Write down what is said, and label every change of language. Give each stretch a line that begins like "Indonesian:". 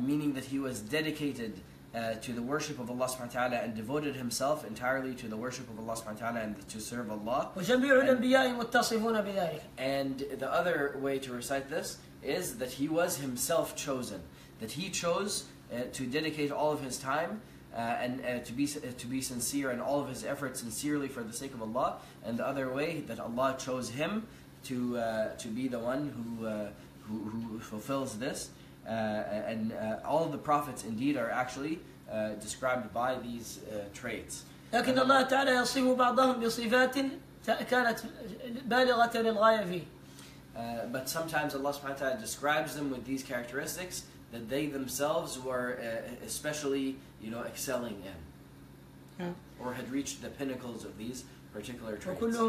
English: Meaning that he was dedicated to the worship of Allah subhanahu wa ta'ala and devoted himself entirely to the worship of Allah subhanahu wa ta'ala and to serve Allah.
Arabic: وجميع الأنبياء متصفون بذلك.
English: And the other way to recite this is that he was himself chosen, that he chose to dedicate all of his time. And to be sincere and all of his efforts sincerely for the sake of Allah, and the other way that Allah chose him to be the one who fulfills this, and all of the prophets indeed are actually described by these traits.
Arabic: لكن الله تعالى يصف بعضهم بصفات كانت بالغة للغاية فيه.
English: But sometimes Allah subhanahu wa ta'ala describes them with these characteristics that they themselves were especially, you know, excelling in, or had reached the pinnacles of these particular traits.